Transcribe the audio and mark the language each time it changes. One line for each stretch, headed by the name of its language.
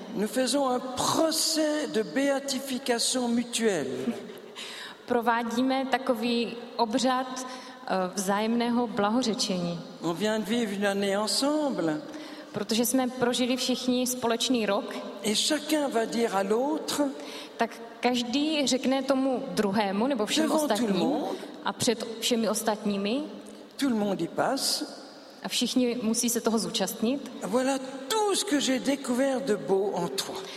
French: nous faisons un procès de béatification mutuelle.
Czech: Provádíme takový obřad vzájemného blahořečení.
French: On vient de vivre une année ensemble.
Czech: Protože jsme prožili všichni společný rok.
French: Et chacun va dire à l'autre.
Czech: Tak každý řekne tomu druhému nebo všem ostatním a před všemi ostatními.
French: Tout le monde y passe.
Czech: A všichni musí se toho zúčastnit.
French: Voilà tout ce que j'ai découvert de beau en toi.